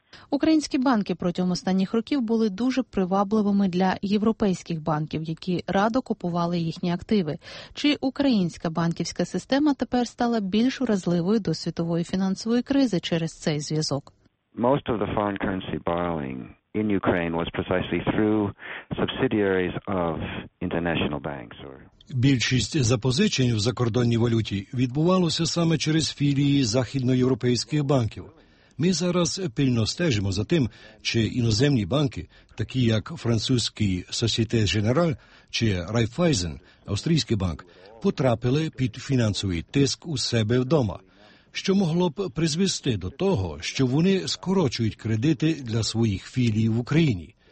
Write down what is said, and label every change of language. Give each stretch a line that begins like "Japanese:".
Ukrainian: Українські банки протягом останніх років були дуже привабливими для європейських банків, які радо купували їхні активи. Чи українська банківська система тепер стала більш вразливою до світової фінансової кризи через цей зв'язок?
English: Most of the foreign currency borrowing in Ukraine was precisely through subsidiaries of international banks.
Ukrainian: Більшість запозичень в закордонній валюті відбувалося саме через філії західноєвропейських банків. Ми зараз пильно стежимо за тим, чи іноземні банки, такі як французький Société Générale чи Raiffeisen, австрійський банк, потрапили під фінансовий тиск у себе вдома, що могло б призвести до того, що вони скорочують кредити для своїх філій в Україні.